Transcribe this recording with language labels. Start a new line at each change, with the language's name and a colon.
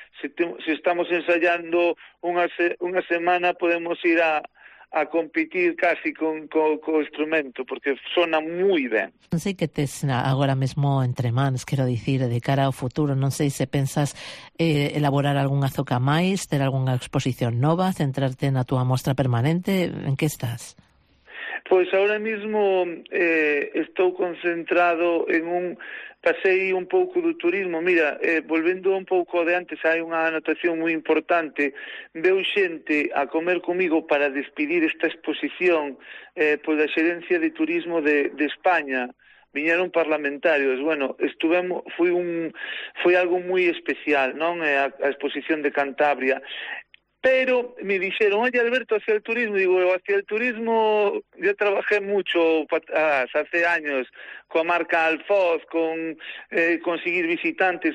Galician: Se estamos ensaiando unha semana, podemos ir a competir casi co instrumento, porque sona moi ben. Non sei que tes agora mesmo entre mans, quero dicir, de cara ao futuro, non sei se pensas elaborar algunha zoca máis, ter algunha exposición nova, centrarte na túa mostra permanente, en que estás? Pois
Spanish: ahora mismo
Galician: estou concentrado en un... Pasei un pouco do turismo. Mira, volvendo un pouco de antes, hai unha anotación moi importante. Veu xente a comer comigo para despedir esta exposición pola Xerencia de Turismo de España. Viñeron parlamentarios. Bueno, foi algo moi especial, non? A exposición de Cantabria. Pero me dixeron,
Spanish: oye, Alberto, hacia el turismo. Digo, hacia el turismo ya trabajé mucho hace años con a marca Alfoz, con conseguir visitantes.